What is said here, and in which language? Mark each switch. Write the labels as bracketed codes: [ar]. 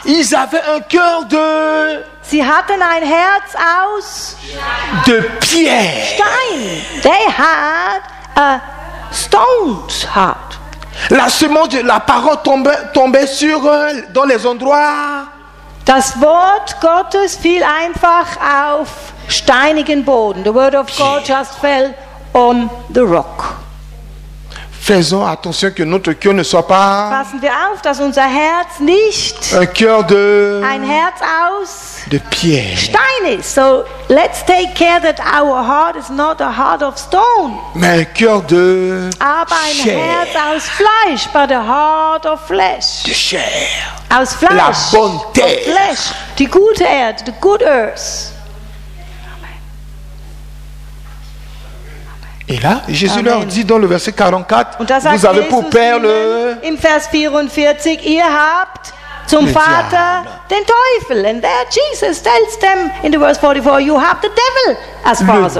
[fr] Ils avaient un cœur de. [de] Sie hatten ein Herz aus. [fr] De pierre. [de] Stein. [en] They had a stone's heart. [fr] La semence, la parole tombait sur eux dans les endroits. [de] Das Wort Gottes fiel einfach auf steinigen Boden. [en] The word of God just fell on the rock. [fr] Faisons attention que notre cœur ne soit pas. [de] Passen wir auf, dass unser Herz nicht. [fr] Un cœur de. [de] Ein Herz aus. [fr] De pierre. [de] Stein ist. [en] So let's take care that our heart is not a heart of stone. [fr] Mais un cœur de. [de] Aber ein Herz aus Fleisch, [en] but a heart of flesh. [fr] De chair. [de] Aus Fleisch. [fr] La bonne terre. [en] Flesh. [de] Die gute Erde, [en] the good earth. [fr] Et là, Jésus Amen. Leur dit dans le verset 44, vous avez pour père le. [de] Im Vers 44, ihr habt zum Vater den Teufel. [en] And there Jesus tells them in the verse 44, you have the devil as father.